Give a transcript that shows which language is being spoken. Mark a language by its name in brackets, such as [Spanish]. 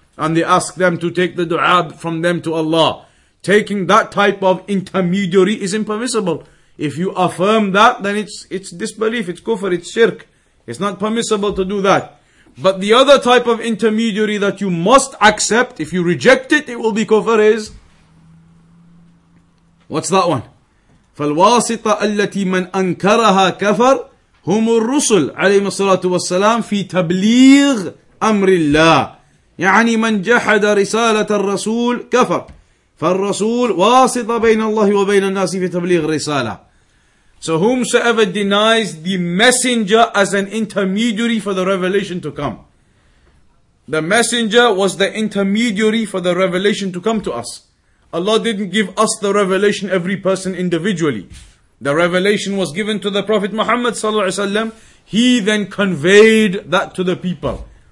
[English] And they ask them to take the dua from them to Allah. Taking that type of intermediary is impermissible. If you affirm that, then it's disbelief, it's kufr, it's shirk. It's not permissible to do that. But the other type of intermediary that you must accept, if you reject it, it will be kufr, is... what's that one? [Arabic] فالواسطة التي من أنكرها كفر هم الرسل عليهم الصلاة والسلام في تبليغ أمر الله. يعني من جحد رسالة الرسول كفر. فالرسول واسطة بين الله وبين الناس في تبليغ رسالة. [English] So whomsoever denies the messenger as an intermediary for the revelation to come. The messenger was the intermediary for the revelation to come to us. Allah didn't give us the revelation, every person individually. The revelation was given to the Prophet Muhammad sallallahu alaihi wasallam. He then conveyed that to the people.